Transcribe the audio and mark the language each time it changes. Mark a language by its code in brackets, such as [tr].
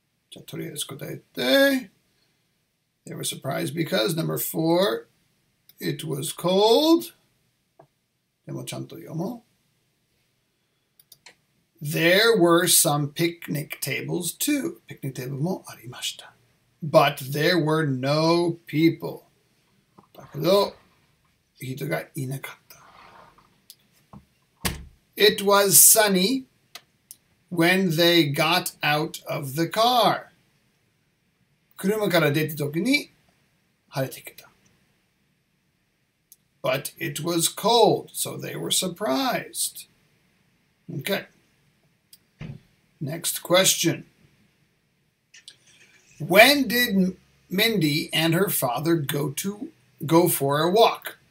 [ja] じゃあ、とりあえず答えて。 [en] They were surprised because, number four, it was cold. [ja] でもちゃんと読もう。 [en] There were some picnic tables too. [ja] ピクニックテーブルもありました。 [en] But there were no people. [ja] だけど、人がいなかった。 [en] It was sunny when they got out of the car. [ja] 車から出た時に晴れてきた。 [en] But it was cold, so they were surprised. Okay. Next question. When did Mindy and her father go for a walk?